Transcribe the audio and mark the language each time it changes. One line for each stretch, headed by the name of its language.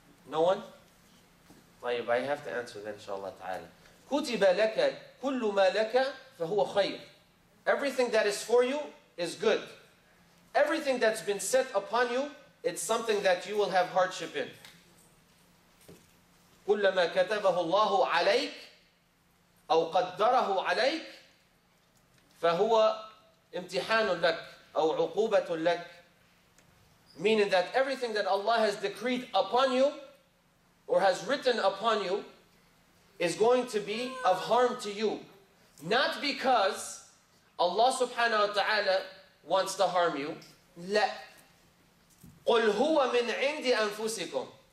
English: No one? طيب, I have to answer then, inshallah ta'ala.
Arabic: كُتِبَ لَكَ كُلُّ مَا لَكَ فَهُوَ خَيْرٌ.
English: Everything that is for you is good. Everything that's been set upon you, it's something that you will have hardship in.
Arabic: كلما كتبه الله عليك أو قدره عليك فهو امتحان لك أو عقوبة لك.
English: Meaning that everything that Allah has decreed upon you or has written upon you is going to be of harm to you. Not because Allah subhanahu wa ta'ala wants to harm you.
Arabic: لا. قل هو من عند أنفسكم.